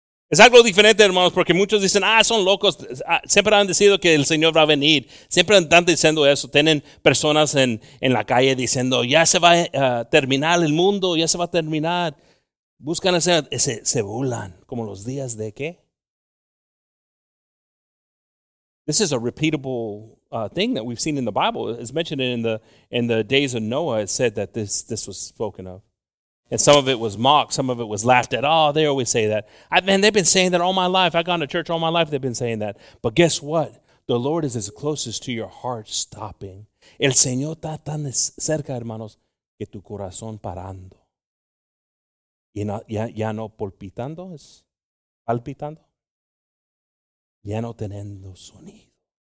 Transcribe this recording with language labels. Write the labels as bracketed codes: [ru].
[es] Es algo diferente, hermanos, porque muchos dicen, son locos, siempre han decidido que el Señor va a venir. Siempre están diciendo eso. Tienen personas en la calle diciendo, ya se va a terminar el mundo, ya se va a terminar. Buscan a se burlan, como los días de qué. [en] This is a repeatable thing that we've seen in the Bible. It's mentioned in the days of Noah, it said that this was spoken of. And some of it was mocked. Some of it was laughed at. Oh, they always say that. They've been saying that all my life. I've gone to church all my life. They've been saying that. But guess what? The Lord is as close as to your heart stopping. [es] El Señor está tan cerca, hermanos, que tu corazón parando. Y no, ya no palpitando, es palpitando. Ya no teniendo sonido.